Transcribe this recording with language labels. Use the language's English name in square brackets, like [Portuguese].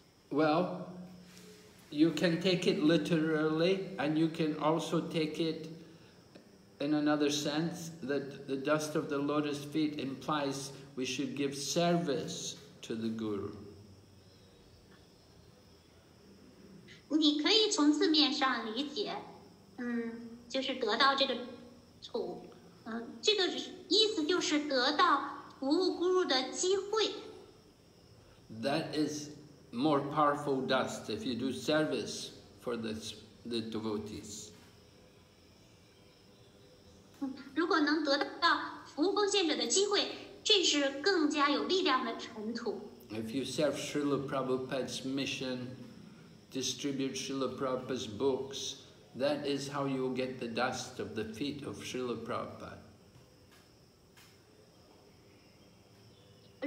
[English] Well, you can take it literally, and you can also take it in another sense, that the dust of the lotus feet implies we should give service to the Guru. [Chinese] 你可以从字面上理解，就是得到这个土，这个意思就是得到服务咕噜的机会。 [English] That is more powerful dust if you do service for the devotees. [Chinese] 如果能得到服务奉献者的机会，这是更加有力量的尘土。 [English] If you serve Srila Prabhupada's mission. Distribute Srila Prabhupada's books, that is how you will get the dust of the feet of Srila Prabhupada.